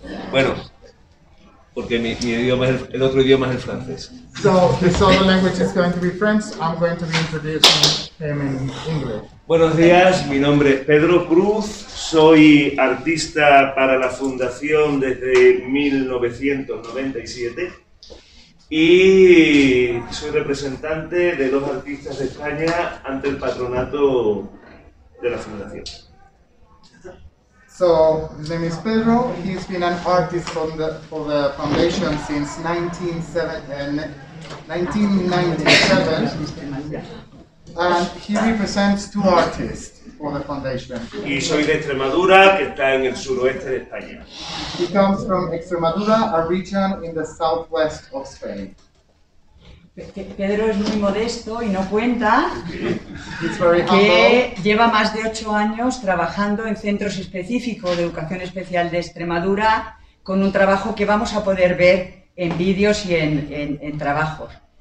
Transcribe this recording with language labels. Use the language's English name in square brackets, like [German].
[Spanish] Bueno, porque mi idioma es el otro idioma es el francés. [English] So the other language is going to be French. I'm going to be introducing him in English. [Spanish] Buenos días. Mi nombre es Pedro Cruz. Soy artista para la fundación desde 1997. Y soy representante de dos artistas de España ante el patronato de la fundación. [English] So, his name is Pedro. He's been an artist for the foundation since 1997. And he represents two artists for the foundation. [Spanish] Y soy de Extremadura, que está en el suroeste de España. [English] He comes from Extremadura, a region in the southwest of Spain. [Spanish] Pedro es muy modesto y no cuenta que lleva más de 8 años trabajando en centros específicos de educación especial de Extremadura con un trabajo que vamos a poder ver en vídeos y en trabajos.